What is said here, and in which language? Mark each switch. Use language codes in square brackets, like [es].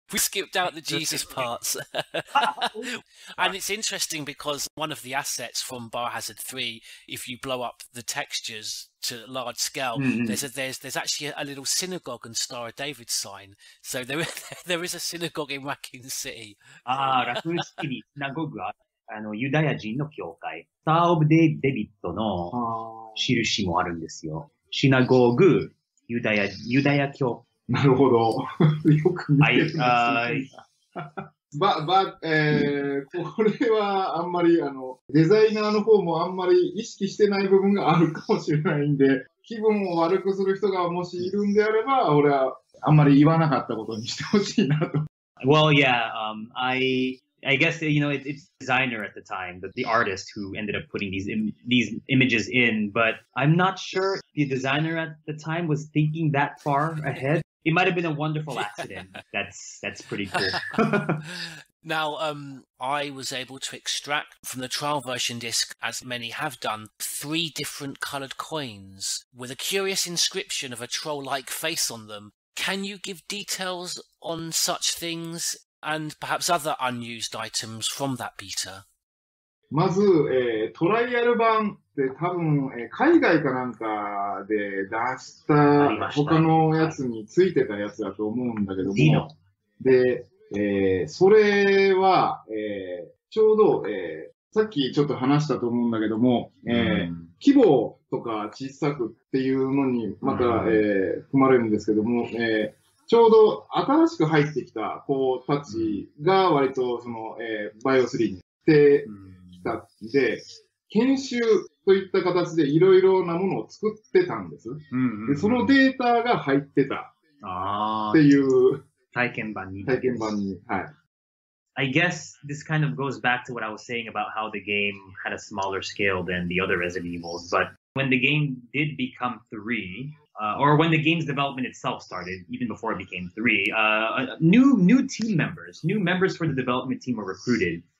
[en] We skipped out the Jesus parts. And it's interesting because one of the assets from Biohazard 3, if you blow up the textures to large scale, mm-hmm. there's actually a little synagogue and Star of David sign. So there is a synagogue in Raccoon City. Ah, Raccoon City synagogue. [ja] あの、ユダヤ人の教会、スター・オブ・デビッドの印もあるんですよ。シナゴーグ、ユダヤ教。なるほど。よく見てるんですよ。これはあんまり、あの、デザイナーの方もあんまり意識してない部分があるかもしれないんで、気分を悪くする人がもしいるんであれば、俺はあんまり言わなかったことにしてほしいなと。 [en] Well, yeah, I guess, you know, it's designer at the time, but the artist who ended up putting these images in, but I'm not sure the designer at the time was thinking that far ahead. It might have been a wonderful accident. That's pretty cool. Now, I was able to extract from the trial version disc, as many have done, three different colored coins with a curious inscription of a troll-like face on them. Can you give details on such things? And perhaps other unused items from that beta. [ja] まず、トライアル版って多分、海外かなんかで出した他のやつについてたやつだと思うんだけども。で、それは、ちょうど、さっきちょっと話したと思うんだけども、規模とか小さくっていうのにまた、含まれるんですけども、ちょうど新しく入ってきた子たちが割とその、バイオ3に来てきたんで、研修といった形でいろいろなものを作ってたんです、うんうんうん。で、そのデータが入ってたっていう体験版に。 はい。 [en] I guess this kind of goes back to what I was saying about how the game had a smaller scale than the other Resident Evils, but when the game did become 3,or when the game's development itself started, even before it became 3, new team members, new members for the development team were recruited.